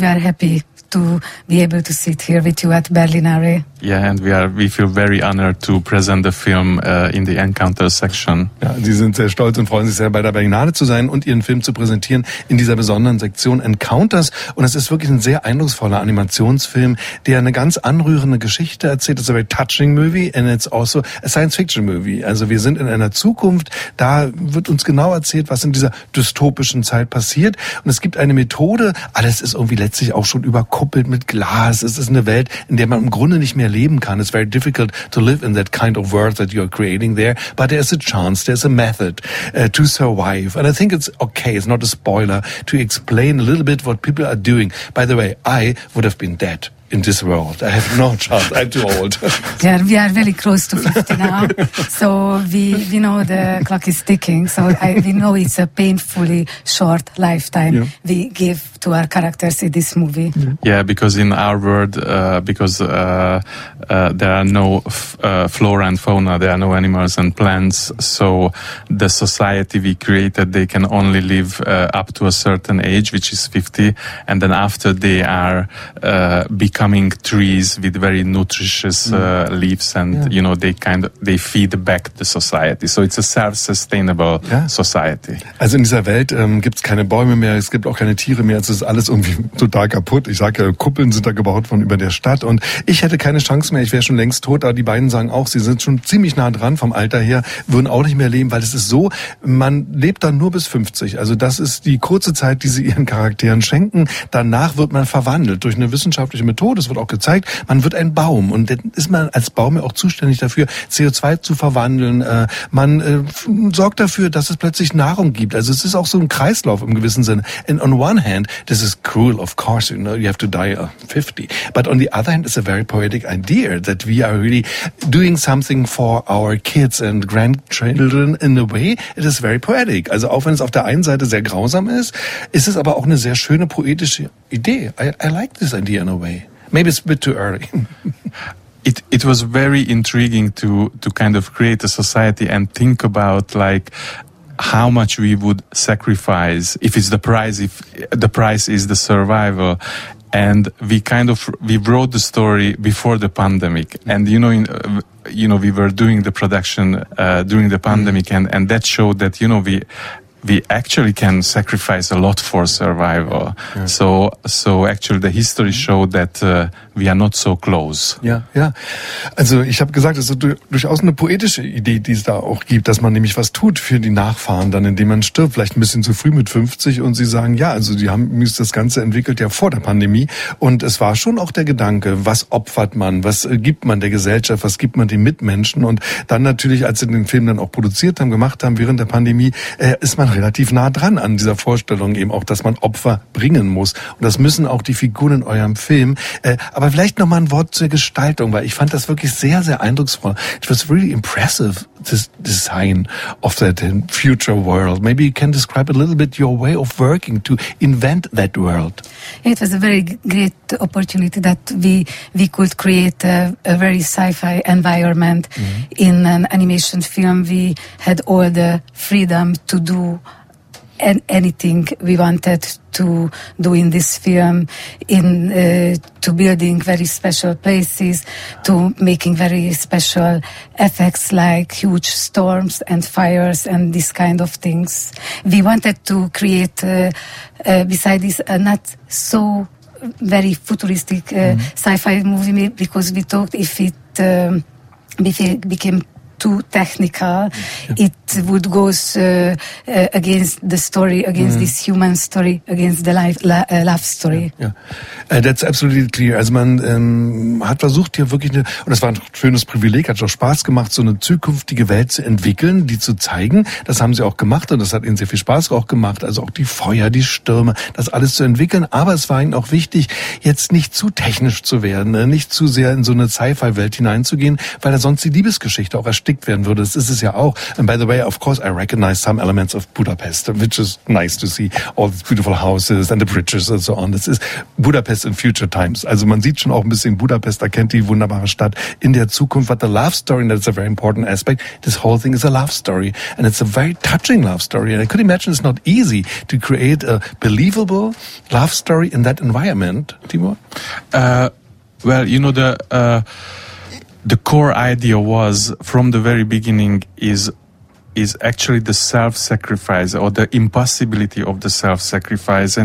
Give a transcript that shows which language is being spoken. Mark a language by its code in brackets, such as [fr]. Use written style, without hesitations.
[en] We are happy to be able to sit here with you at Berlinale. Yeah, and we feel very honored to present the film in the Encounter section. [de] Ja, sie sind sehr stolz und freuen sich sehr, bei der Berlinale zu sein und ihren Film zu präsentieren in dieser besonderen Sektion Encounters. Und es ist wirklich ein sehr eindrucksvoller Animationsfilm, der eine ganz anrührende Geschichte erzählt. [en] It's a very touching movie and it's also a science fiction movie. [de] Also wir sind in einer Zukunft, da wird uns genau erzählt, was in dieser dystopischen Zeit passiert. Und es gibt eine Methode, alles ist irgendwie letztlich auch schon überkuppelt mit Glas. Es ist eine Welt, in der man im Grunde nicht mehr leben kann. [en] It's very difficult to live in that kind of world that you're creating there, but there's a chance, there's a method to survive. And I think it's okay, it's not a spoiler, to explain a little bit what people are doing. By the way, I would have been dead in this world. I have no chance. I'm too old. Yeah, we are really close to 50 now. So we know the clock is ticking. So we know it's a painfully short lifetime yeah. we give to our characters in this movie. Yeah because in our world, because there are no flora and fauna, there are no animals and plants. So the society we created, they can only live up to a certain age, which is 50. And then after they are become coming trees with very nutritious leaves and yeah. you know they feed back the society, so it's a self-sustainable yeah. society. [de] Also in dieser Welt gibt's keine Bäume mehr, es gibt auch keine Tiere mehr, es ist alles irgendwie total kaputt. Ich sage ja, Kuppeln sind da gebaut von über der Stadt und ich hätte keine Chance mehr, ich wäre schon längst tot. Aber die beiden sagen auch, sie sind schon ziemlich nah dran vom Alter her, würden auch nicht mehr leben, weil es ist so, man lebt dann nur bis 50, also das ist die kurze Zeit, die sie ihren Charakteren schenken. Danach wird man verwandelt durch eine wissenschaftliche Methode. Das wird auch gezeigt, man wird ein Baum und dann ist man als Baum ja auch zuständig dafür, CO2 zu verwandeln. Man sorgt dafür, dass es plötzlich Nahrung gibt. Also es ist auch so ein Kreislauf im gewissen Sinne. [en] And on one hand, this is cruel, of course, you know, you have to die at 50. But on the other hand, it's a very poetic idea that we are really doing something for our kids and grandchildren in a way. It is very poetic. [de] Also auch wenn es auf der einen Seite sehr grausam ist, ist es aber auch eine sehr schöne poetische Idee. [en] I like this idea in a way. Maybe it's a bit too early. It was very intriguing to kind of create a society and think about like how much we would sacrifice if the price is the survival. And we wrote the story before the pandemic. And you know we were doing the production during the pandemic, mm-hmm. and that showed that you know we actually can sacrifice a lot for survival. Yeah. So actually the history showed that we are not so close. [de] Ja. Also ich habe gesagt, es ist durchaus eine poetische Idee, die es da auch gibt, dass man nämlich was tut für die Nachfahren, dann indem man stirbt, vielleicht ein bisschen zu früh mit 50. Und sie sagen, ja, also die haben das Ganze entwickelt ja vor der Pandemie. Und es war schon auch der Gedanke, was opfert man, was gibt man der Gesellschaft, was gibt man den Mitmenschen. Und dann natürlich, als sie den Film dann auch produziert haben, gemacht haben während der Pandemie, ist man relativ nah dran an dieser Vorstellung eben auch, dass man Opfer bringen muss. Und das müssen auch die Figuren in eurem Film. Aber vielleicht noch mal ein Wort zur Gestaltung, weil ich fand das wirklich sehr, sehr eindrucksvoll. [en] It was really impressive, this design of that future world. Maybe you can describe a little bit your way of working to invent that world. It was a very great opportunity that we could create a very sci-fi environment mm-hmm. in an animation film. We had all the freedom to do anything we wanted to do in this film, in to building very special places, to making very special effects like huge storms and fires and this kind of things. We wanted to create, beside this, not so very futuristic mm-hmm. sci-fi movie, because we talked if it became too technical. Yeah. It would go against the story, against this human story, against the love story. Yeah. That's absolutely clear. [de] Also man hat versucht hier wirklich, und das war ein schönes Privileg, hat auch Spaß gemacht, so eine zukünftige Welt zu entwickeln, die zu zeigen. Das haben sie auch gemacht und das hat ihnen sehr viel Spaß auch gemacht. Also auch die Feuer, die Stürme, das alles zu entwickeln. Aber es war ihnen auch wichtig, jetzt nicht zu technisch zu werden, nicht zu sehr in so eine Sci-Fi-Welt hineinzugehen, weil da sonst die Liebesgeschichte auch erstickt werden würde. Das ist es ja auch. [en] And by the way, of course, I recognize some elements of Budapest, which is nice to see all these beautiful houses and the bridges and so on. [de] Das ist Budapest [en] in future times. [de] Also man sieht schon auch ein bisschen Budapest, da kennt die wunderbare Stadt in der Zukunft. [en] But the love story, that's a very important aspect. This whole thing is a love story. And it's a very touching love story. And I could imagine it's not easy to create a believable love story in that environment, Timo. Well, you know, the core idea was from the very beginning is actually the self-sacrifice or the impossibility of the self-sacrifice.